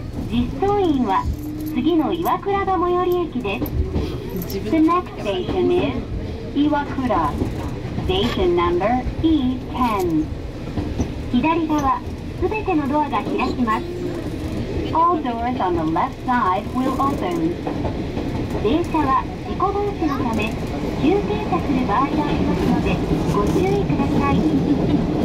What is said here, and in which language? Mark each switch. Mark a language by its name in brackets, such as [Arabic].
[Japanese] 実装員は次の岩倉が最寄り駅です。 [English] The next station is 岩倉。 Station number E10。 [Japanese] 左側すべてのドアが開きます。 [English] All doors on the left side will open。 [Japanese] 電車は事故防止のため急停車する場合がありますのでご注意ください。